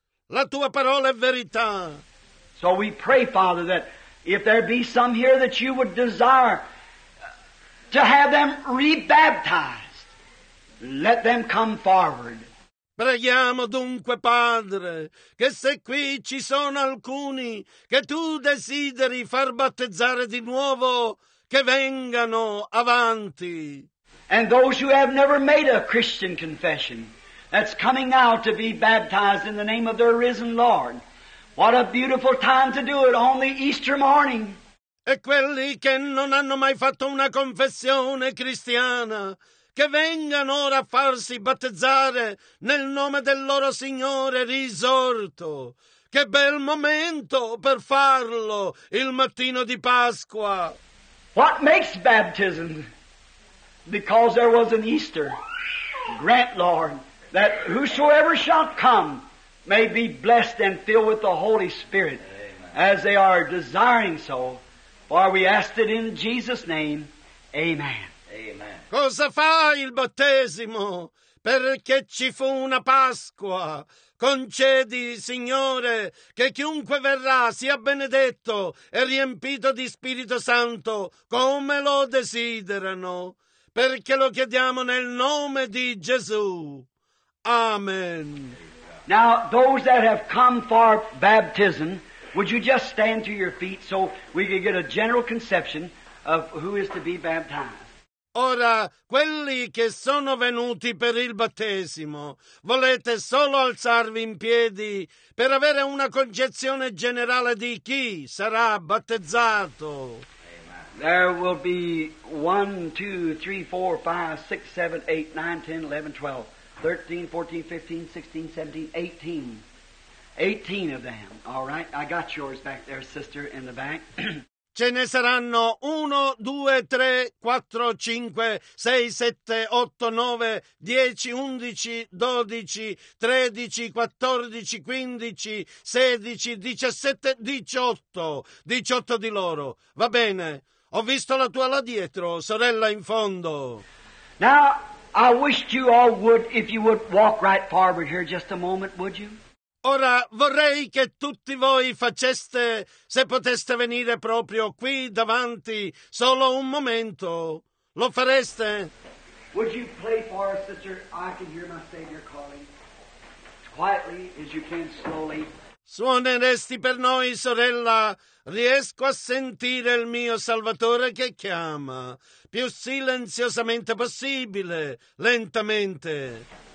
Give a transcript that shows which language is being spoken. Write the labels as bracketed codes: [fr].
[it] La Tua parola è verità. [en] So we pray, Father, that if there be some here that You would desire to have them rebaptized, let them come forward. [it] Preghiamo dunque, Padre, che se qui ci sono alcuni che Tu desideri far battezzare di nuovo, che vengano avanti. [en] And those who have never made a Christian confession, that's coming out to be baptized in the name of their risen Lord. What a beautiful time to do it on the Easter morning. [it] E quelli che non hanno mai fatto una confessione cristiana, che vengano ora a farsi battezzare nel nome del loro Signore risorto. Che bel momento per farlo il mattino di Pasqua. [en] What makes baptism? Because there was an Easter. Grant, Lord, that whosoever shall come may be blessed and filled with the Holy Spirit. Amen. As they are desiring so. For we ask it in Jesus' name. Amen. Amen. [it] Cosa fa il battesimo? Perché ci fu una Pasqua. Concedi, Signore, che chiunque verrà sia benedetto e riempito di Spirito Santo come lo desiderano. Perché lo chiediamo nel nome di Gesù. Amen. [en] Now, those that have come for baptism, would you just stand to your feet so we can get a general conception of who is to be baptized? [it] Ora, quelli che sono venuti per il battesimo, volete solo alzarvi in piedi per avere una concezione generale di chi sarà battezzato? [en] There will be 1, 2, 3, 4, 5, 6, 7, 8, 9, 10, 11, 12, 13, 14, 15, 16, 17, 18. 18 of them. All right, I got yours back there, sister, in the back. [it] Ce ne saranno 1, 2, 3, 4, 5, 6, 7, 8, 9, 10, 11, 12, 13, 14, 15, 16, 17, 18. 18 di loro. Va bene. Ho visto la tua là dietro, sorella in fondo. [en] Now, I wish you all would, if you would walk right forward here just a moment, would you? [it] Ora vorrei che tutti voi faceste, se poteste venire proprio qui davanti, solo un momento. Lo fareste? [en] Would you play for us, sister? I can hear my Savior calling. Quietly, as you can, slowly. [it] Suoneresti per noi, sorella? Riesco a sentire il mio Salvatore che chiama. Più silenziosamente possibile, lentamente.